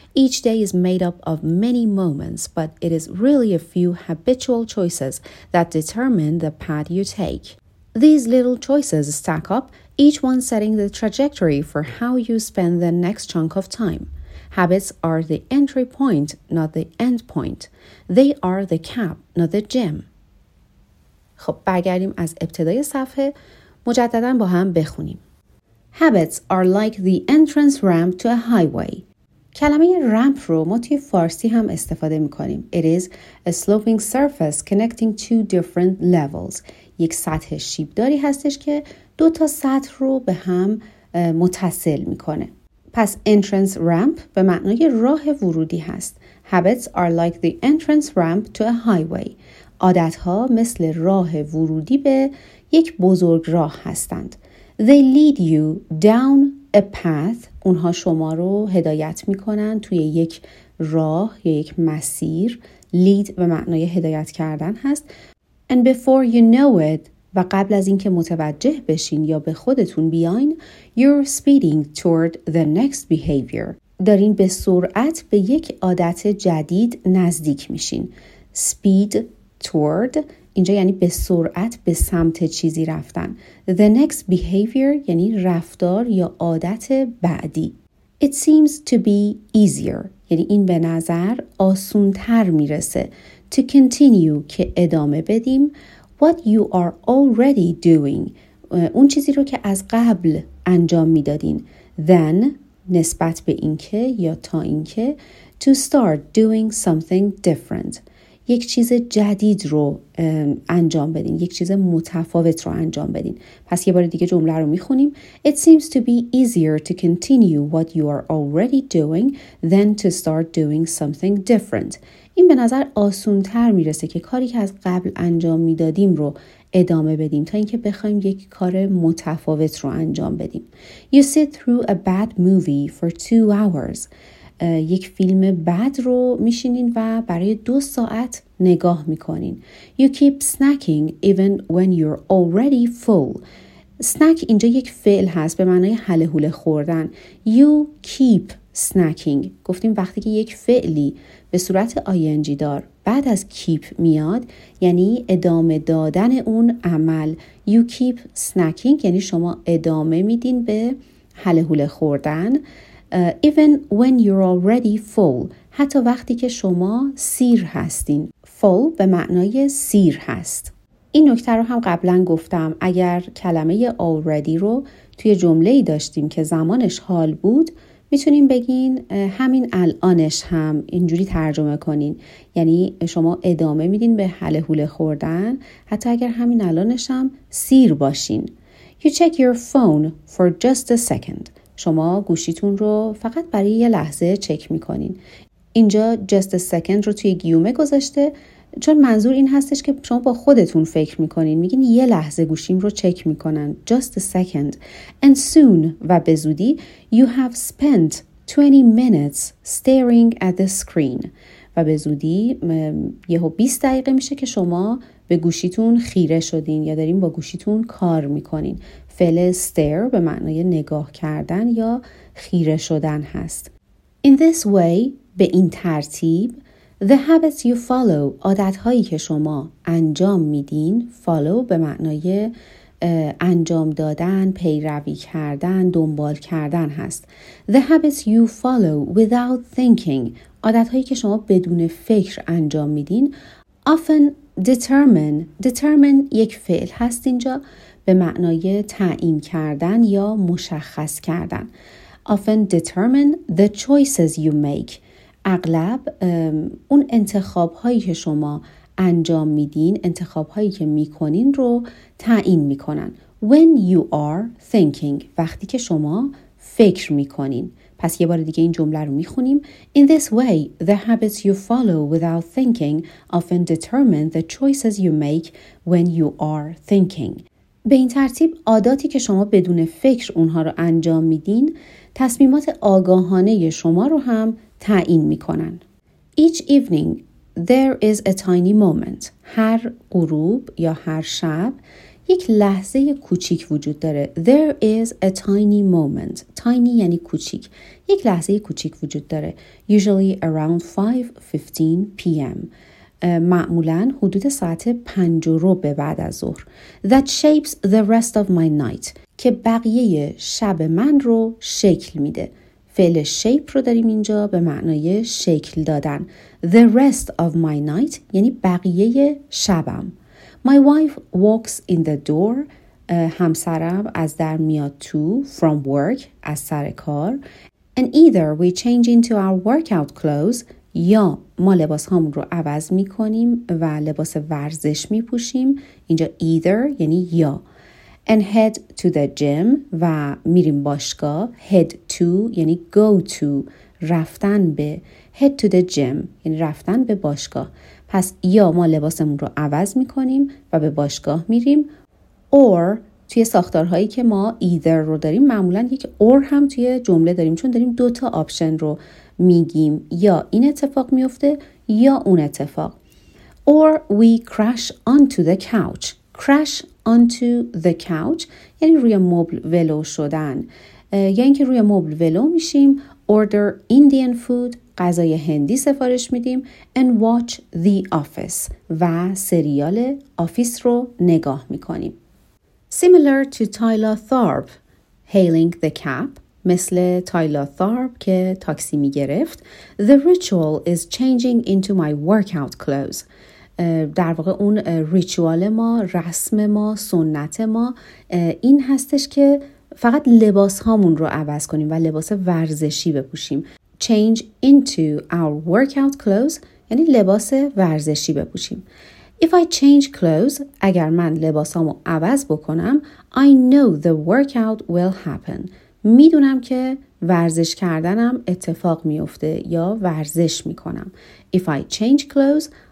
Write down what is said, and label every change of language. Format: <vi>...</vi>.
<en>Each day is made up of many moments, but it is really a few habitual choices that determine the path you take. These little choices stack up, each one setting the trajectory for how you spend the next chunk of time. Habits are the entry point, not the end point. They are the cap, not the gym.</en> <fa>خب برگردیم از ابتدای صفحه مجددا با هم بخونیم.</fa> <en>Habits are like the entrance ramp to a highway.</en> <fa>کلمه ramp رو ما توی فارسی هم استفاده میکنیم.</fa> <en>It is a sloping surface connecting two different levels.</en> <fa>یک سطح شیبداری هستش که دو تا سطح رو به هم متصل میکنه. پس</fa> <en>entrance ramp</en> <fa>به معنای راه ورودی هست.</fa> <en>Habits are like the entrance ramp to a highway.</en> <fa>عادت‌ها مثل راه ورودی به یک بزرگ راه هستند.</fa> <en>They lead you down a path.</en> <fa>اونها شما رو هدایت می‌کنند توی یک راه یا یک مسیر. Lead به معنای هدایت کردن هست.</fa> <en>And before you know it,</en> <fa>و قبل از اینکه متوجه بشین یا به خودتون بیاین,</fa> <en>you're speeding toward the next behavior.</en> <fa>دارین به سرعت به یک عادت جدید نزدیک میشین.</fa> <en>Speed toward</en> <fa>اینجا یعنی به سرعت به سمت چیزی رفتن.</fa> <en>The next behavior</en> <fa>یعنی رفتار یا عادت بعدی.</fa> <en>It seems to be easier</en> <fa>یعنی این به نظر آسون تر میرسه.</fa> <en>To continue</en> <fa>که ادامه بدیم.</fa> <en>What you are already doing</en> <fa>اون چیزی رو که از قبل انجام میدادین.</fa> <en>Then</en> <fa>نسبت به اینکه یا تا اینکه.</fa> <en>To start doing something different</en> <fa>یک چیز جدید رو انجام بدین. یک چیز متفاوت رو انجام بدین. پس یه بار دیگه جمله رو میخونیم.</fa> <en>It seems to be easier to continue what you are already doing than to start doing something different.</en> <fa>این به نظر آسون تر میرسه که کاری که از قبل انجام میدادیم رو ادامه بدیم تا اینکه بخوایم یک کار متفاوت رو انجام بدیم.</fa> <en>You sit through a bad movie for 2 hours.</en> <fa>یک فیلم بد رو میشینین و برای 2 ساعت نگاه میکنین.</fa> <en>You keep snacking even when you're already full.</en> <fa>سنک اینجا یک فعل هست به معنای هله‌هوله خوردن.</fa> <en>You keep snacking.</en> <fa>گفتیم وقتی که یک فعلی به صورت ing دار بعد از keep میاد، یعنی ادامه دادن اون عمل.</fa> <en>You keep snacking</en> <fa>یعنی شما ادامه میدین به هله‌هوله خوردن.</fa> <en>Even when you're already full.</en> <fa>حتی وقتی که شما سیر هستین. Full به معنای سیر هست. این نکته رو هم قبلا گفتم، اگر کلمه already رو توی جمله ای داشتیم که زمانش حال بود، میتونیم بگین همین الانش هم، اینجوری ترجمه کنین. یعنی شما ادامه میدین به هله هوله خوردن حتی اگر همین الانش هم سیر باشین.</fa> <en>You check your phone for just a second.</en> <fa>شما گوشیتون رو فقط برای یه لحظه چک میکنین. اینجا</fa> <en>just a second</en> <fa>رو توی گیومه گذاشته چون منظور این هستش که شما با خودتون فکر میکنین، میگین یه لحظه گوشیم رو چک میکنن، just a second.</fa> <en>And soon</en> <fa>و به زودی</fa> <en>you have spent 20 minutes staring at the screen.</en> <fa>و به زودی یهو 20 دقیقه میشه که شما به گوشیتون خیره شدین یا دارین با گوشیتون کار میکنین. فعل stare به معنای نگاه کردن یا خیره شدن هست.</fa> <en>In this way</en> <fa>به این ترتیب</fa> <en>The habits you follow،</en> <fa>عادت‌هایی که شما انجام میدین، follow به معنای انجام دادن، پیروی کردن، دنبال کردن هست.</fa> <en>The habits you follow without thinking،</en> <fa>عادت‌هایی که شما بدون فکر انجام میدین،</fa> <en>often determine</en> <fa>یک فعل هست اینجا به معنای تعیین کردن یا مشخص کردن.</fa> <en>Often determine the choices you make،</en> <fa>اغلب اون انتخاب‌هایی که شما انجام میدین، انتخاب‌هایی که میکنین رو تعیین میکنن.</fa> <en>When you are thinking،</en> <fa>وقتی که شما فکر میکنین. پس یه بار دیگه این جمله رو میخونیم.</fa> <en>In this way, the habits you follow without thinking often determine the choices you make when you are thinking.</en> <fa>به این ترتیب عاداتی که شما بدون فکر اونها رو انجام میدین، تصمیمات آگاهانه شما رو هم تعیین میکنن.</fa> <en>Each evening there is a tiny moment.</en> <fa>هر غروب یا هر شب یک لحظه کوچیک وجود داره.</fa> <en>There is a tiny moment.</en> <fa>Tiny یعنی کوچیک. یک لحظه کوچیک وجود داره.</fa> <en>Usually around 5:15 p.m.</en> <fa>معمولاً حدود ساعت 5:15 بعد از ظهر.</fa> <en>That shapes the rest of my night.</en> <fa>که بقیه شب من رو شکل میده. فعل shape رو داریم اینجا به معنای شکل دادن.</fa> <en>The rest of my night</en> <fa>یعنی بقیه شبم.</fa> <en>My wife walks in the door.</en> <fa>همسرم از در میاد تو.</fa> <en>From work،</en> <fa>از سر کار.</fa> <en>And either we change into our workout clothes</en> <fa>یا ما لباس هامون رو عوض می کنیم و لباس ورزش می پوشیم. اینجا either یعنی یا.</fa> <en>And head to the gym</en> <fa>و میریم باشگاه.</fa> <en>Head to یعنی go to،</en> <fa>رفتن به.</fa> <en>Head to the gym</en> <fa>یعنی رفتن به باشگاه. پس یا ما لباسمون رو عوض میکنیم و به باشگاه میریم، or توی ساختارهایی که ما either رو داریم معمولا یک or هم توی جمله داریم، چون داریم دوتا آپشن رو میگیم، یا این اتفاق میفته یا اون اتفاق.</fa> <en>Or we crash onto the couch. Crash onto the couch</en> <fa>یعنی روی مبل ولو شدن، یا یعنی که روی مبل ولو میشیم.</fa> <en>Order Indian food،</en> <fa>غذای هندی سفارش میدیم.</fa> <en>And watch the office،</en> <fa>و سریال آفیس رو نگاه میکنیم.</fa> <en>Similar to Tyler Tharp hailing the cab،</en> <fa>مثل</fa> <en>Tyler Tharp</en> <fa>که تاکسی میگرفت.</fa> <en>The ritual is changing into my workout clothes،</en> <fa>در واقع اون ریچوال ما، رسم ما، سنت ما این هستش که فقط لباس هامون رو عوض کنیم و لباس ورزشی بپوشیم.</fa> <en>Change into our workout clothes</en> <fa>یعنی لباس ورزشی بپوشیم.</fa> <en>If I change clothes،</en> <fa>اگر من لباس هامو عوض بکنم،</fa> <en>I know the workout will happen،</en> <fa>میدونم که ورزش کردنم اتفاق میفته یا ورزش میکنم.</fa> <en>If I change clothes</en>